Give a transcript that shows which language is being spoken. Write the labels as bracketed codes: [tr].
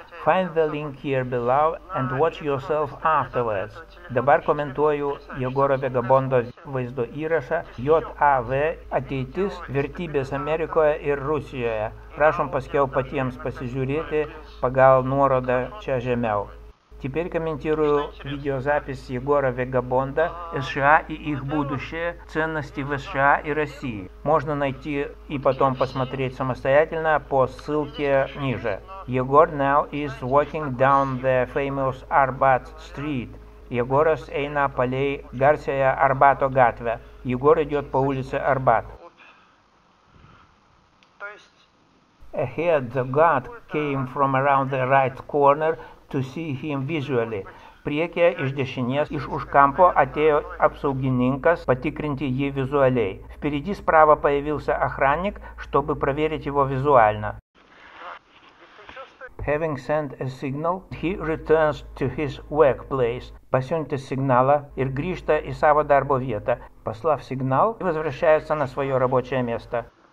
[en] Find the link here below and watch yourself afterwards. [lt] Dabar komentuoju Jegoro Vagabondo vaizdo įrašą JAV ateitis vertybės Amerikoje ir Rusijoje. Prašom paskiau patiems pasižiūrėti pagal nuorodą čia žemiau. [ru] Теперь комментирую видеозапись Егора Вегабонда «США и их будущее. Ценности в США и России». Можно найти и потом посмотреть самостоятельно по ссылке ниже. [en] Егор now is walking down the famous Арбат Street. [lt] Егорос эйна полей Гарсия Арбато Гатве. [ru] Егор идет по улице Арбат. [en] Ahead the guard came from around the right corner to see him visually. [lt] Priekyje iš dešinės, iš už kampo atėjo apsaugininkas patikrinti jį vizualiai. [ru] Впереди справа появился охранник, чтобы проверить его визуально. [en] Having sent a signal, he returns to his workplace. [lt] Pasiuntė signalą ir grįžta į savo darbo vietą. [ru] Послав сигнал, возвращается на своё рабочее место.